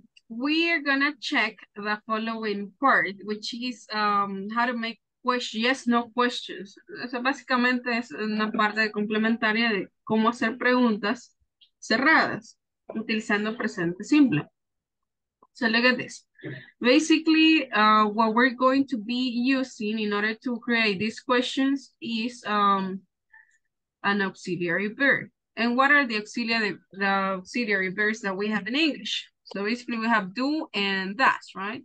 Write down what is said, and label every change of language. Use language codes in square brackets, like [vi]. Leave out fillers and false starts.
[en] We are gonna check the following part, which is how to make questions, yes, no questions. [es] Eso básicamente es una parte complementaria de cómo hacer preguntas cerradas utilizando presente simple. [en] So look at this. Basically, what we're going to be using in order to create these questions is an auxiliary verb. And what are the auxiliary verbs that we have in English? So basically, we have do and does, right?